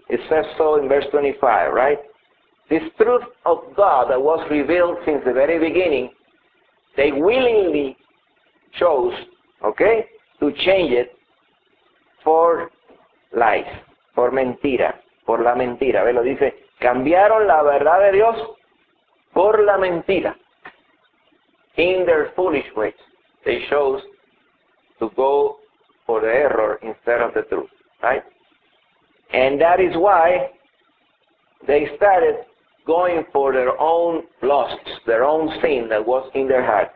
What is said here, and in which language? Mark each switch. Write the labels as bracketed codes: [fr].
[en] It says so in verse 25, right? This truth of God that was revealed since the very beginning, they willingly chose, okay, to change it for lies, for mentira, [es] por la mentira. Ve, lo dice, cambiaron la verdad de Dios por la mentira. [en] In their foolish ways, they chose to go for the error instead of the truth, right? And that is why they started going for their own lusts, their own sin that was in their heart.